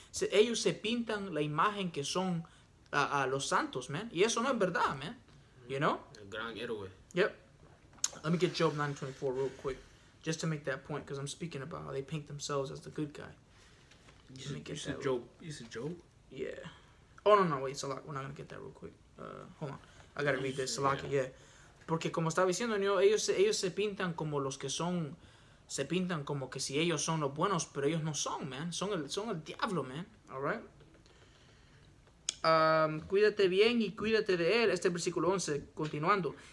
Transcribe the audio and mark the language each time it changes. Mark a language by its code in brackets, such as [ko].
[es] Ellos se pintan la imagen que son a los santos, man. Y eso no es verdad, man, [en] you know? [es] Gran héroe. [en] Yep. Let me get Job 9:24 real quick, just to make that point, because I'm speaking about how they paint themselves as the good guy. You said Job? Yeah. Oh, no, wait, Salak. We're not going to get that real quick. Hold on. I got to read this. Salak, yeah. [es] Porque como estaba diciendo, yo, ellos se pintan como los que son, se pintan como que si ellos son los buenos, pero ellos no son, man. Son el diablo, man. All right? Cuídate bien y cuídate de él. Este versículo 11, continuando.